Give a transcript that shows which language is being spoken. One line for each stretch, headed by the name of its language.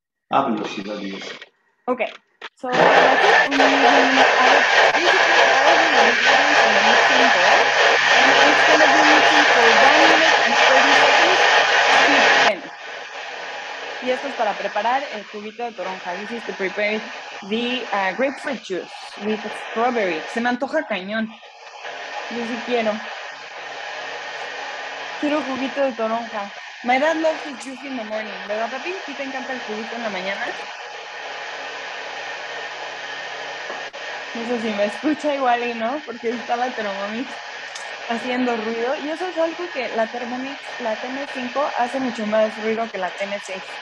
Spanish: Ah, velocidad 10. Ok. So, y esto es para preparar el cubito de toronja.
English: This is to prepare the grapefruit juice with strawberry.
Spanish: Se me antoja cañón. Yo sí quiero. Quiero juguito de toronja.
English: My dad loves his juice in the morning.
Spanish: ¿Verdad, papi? ¿Sí te encanta el juguito en la mañana? No sé si me escucha igual y no, porque está la Thermomix haciendo ruido. Y eso es algo que la Thermomix, la TN5, hace mucho más ruido que la TN6.